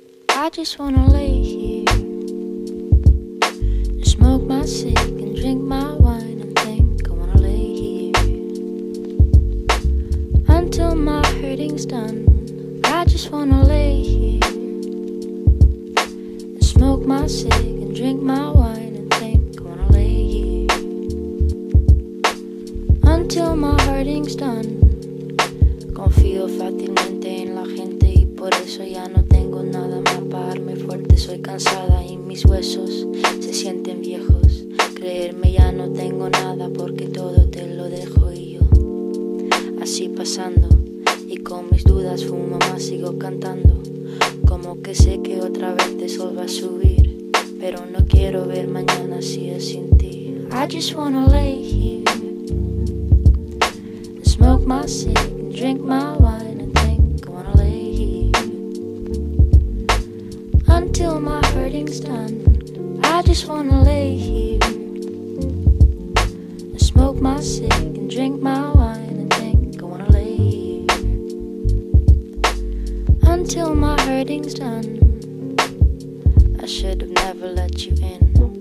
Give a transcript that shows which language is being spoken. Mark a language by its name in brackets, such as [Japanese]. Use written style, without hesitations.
[English] I just wanna lay here, smoke my cig and drink my wine and think I wanna lay here until my hurting's done. I just wanna lay here, smoke my cig and drink my wine and think I wanna lay here until my hurting's done. [Spanish] Confío fácilmente en la gente y por eso ya no tengo nada más para pararme fuerte. Soy cansada y mis huesos se sienten viejos. Creerme ya no tengo nada porque todo te lo dejo. Y yo así pasando y con mis dudas fumo más, sigo cantando. Como que sé que otra vez el sol va a subir, pero no quiero ver mañana si es sin ti. [English] I just wanna lay here, smoke my cigarette, drink my wine and think I wanna lay here until my hurting's done. I just wanna lay here and smoke my cig and drink my wine and think I wanna lay here until my hurting's done. I should've never let you in.